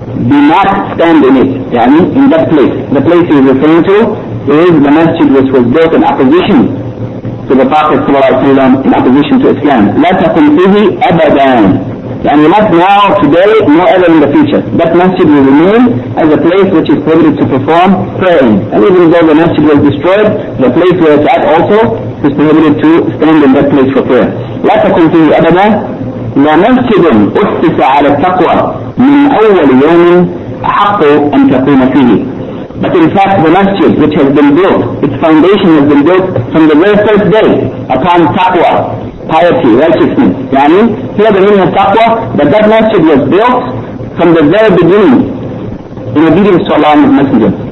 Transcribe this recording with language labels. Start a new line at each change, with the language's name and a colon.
English: Do not stand in it, in that place. The place he is referring to is the masjid which was built in opposition to the Prophet sallallahu alayhi wa sallam, in opposition to Islam.
Arabic: La taqum fihi abadan.
English: Not now, today, nor ever in the future. That masjid will remain as a place which is prohibited to perform prayer in. And even though the masjid was destroyed, the place where it's at also is prohibited to stand in that place for prayer.
Arabic: لا تكن فيه أبدا لمسجد أسس على التقوى من أول يوم أحق أن تقوم فيه.
English: But in fact the masjid which has been built, its foundation has been built from the very first day upon taqwa, piety, righteousness. Here the meaning of taqwa, that masjid was built from the very beginning in obedience to Allah and His Messenger.